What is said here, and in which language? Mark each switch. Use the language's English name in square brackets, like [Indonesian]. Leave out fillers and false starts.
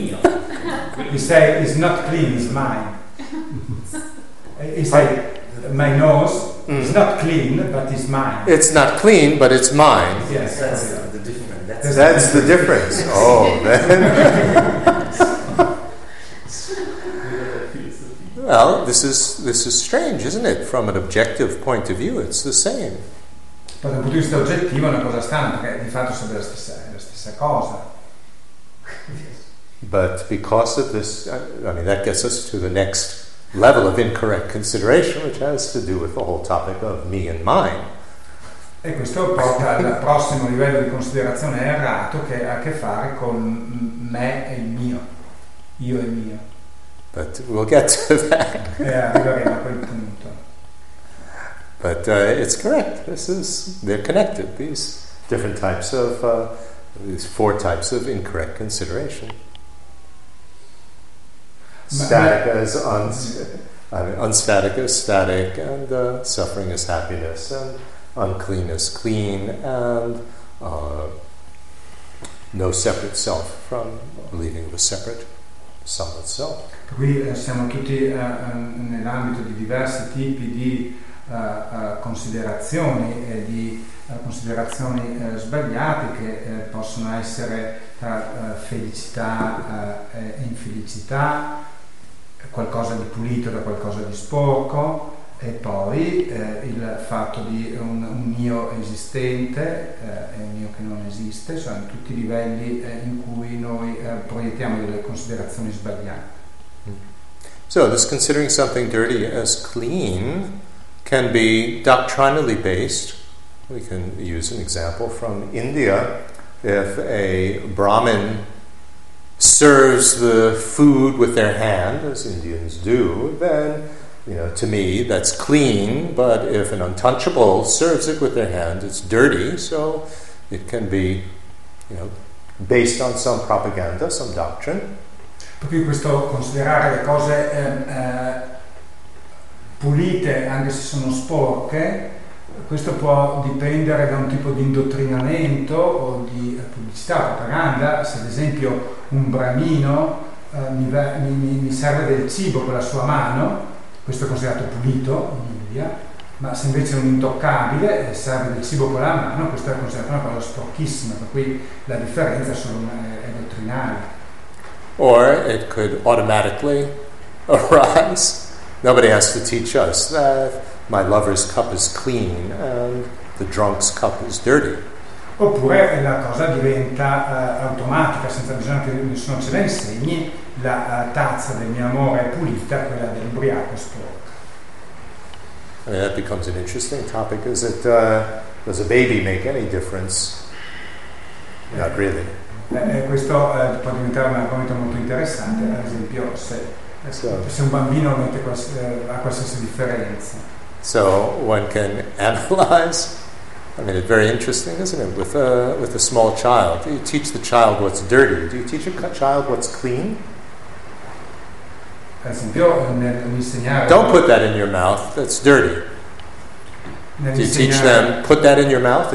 [Italian] mio. [English] You say it's not clean, it's mine. You say my nose is not clean, but it's mine. It's not clean, but it's mine. Yes, that's the difference. That's the difference. Oh, then. Well, this is strange, isn't it? From an objective point of view, it's the same. [Italian] Dal punto di vista oggettivo è una cosa strana, perché di fatto sono la stessa cosa. [English] But because of this, I mean, that gets us to the next level of incorrect consideration, which has to do with the whole topic of me and mine. [Italian] E questo porta al prossimo livello di considerazione errato, che ha a che fare con me e il mio, io e il mio. [English] But we'll get to that. [Italian] E arriveremo a quel punto. [English] But it's correct. They're connected. These different types of these four types of incorrect consideration. Static as unstatic as static, and suffering as happiness, and unclean as clean, and no separate self from believing the separate some itself. [Italian] Qui siamo tutti nell'ambito di diversi tipi di considerazioni e di considerazioni sbagliate che possono essere tra felicità e infelicità. Qualcosa di pulito da qualcosa di sporco, e poi il fatto di un mio esistente e un mio che non esiste, sono cioè tutti i livelli in cui noi proiettiamo delle considerazioni sbagliate. [English] So this considering something dirty as clean can be doctrinally based. We can use an example from India. If a Brahmin serves the food with their hand, as Indians do, then, you know, to me, that's clean. But if an untouchable serves it with their hand, it's dirty. So it can be, you know, based on some propaganda, some doctrine. [Italian] Per cui questo considerare le cose pulite, anche se sono sporche, questo può dipendere da un tipo di indottrinamento o di pubblicità, propaganda. Se ad esempio un bramino mi serve del cibo con la sua mano, questo è considerato pulito in India, ma se invece è un intoccabile e serve del cibo con la mano, questa è considerata una cosa sporchissima, per cui la differenza è dottrinale. [English] Or it could automatically arise. Nobody has to teach us that my lover's cup is clean and the drunk's cup is dirty. [Italian] Oppure la cosa diventa automatica, senza bisogno che nessuno ce la insegni, la tazza del mio amore è pulita, quella dell'ubriaco sporca. [English] I mean, that becomes an interesting topic. Is it, does a baby make any difference? Not really. [Italian] Questo può diventare un argomento molto interessante, ad esempio se un bambino ha qualsiasi differenza. [English] So one can analyze. I mean, it's very interesting, isn't it? With a small child, do you teach the child what's dirty? Do you teach a child what's clean? [Italian] Ad esempio, nell'insegnare. [English] Don't put that in your mouth. That's dirty. Do you teach them put that in your mouth?